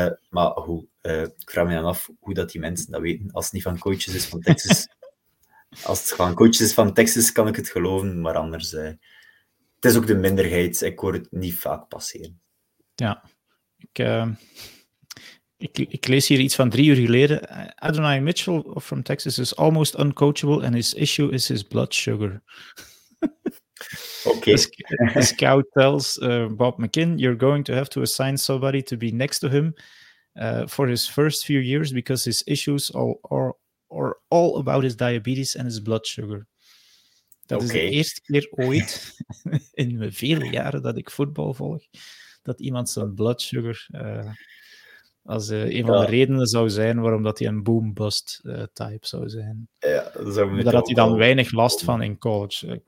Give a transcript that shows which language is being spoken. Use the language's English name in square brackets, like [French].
[Dutch] Maar hoe, ik vraag me dan af hoe dat die mensen dat weten als het niet van coaches is van Texas. Als het gewoon coach is van Texas, kan ik het geloven, maar anders... het is ook de minderheid. Ik hoor het niet vaak passeren. Ja. Ik lees hier iets van 3 uur geleden. [English] Adonai Mitchell from Texas is almost uncoachable and his issue is his blood sugar. Okay. The scout tells Bob McKinn, you're going to have to assign somebody to be next to him for his first few years because his issues are all about his diabetes and his blood sugar. [Dutch] Dat is de eerste keer ooit in mijn vele jaren dat ik voetbal volg, dat iemand zijn blood sugar als een van de redenen zou zijn waarom dat hij een boom-bust type zou zijn. Ja, zou maar daar had hij dan weinig last van in college.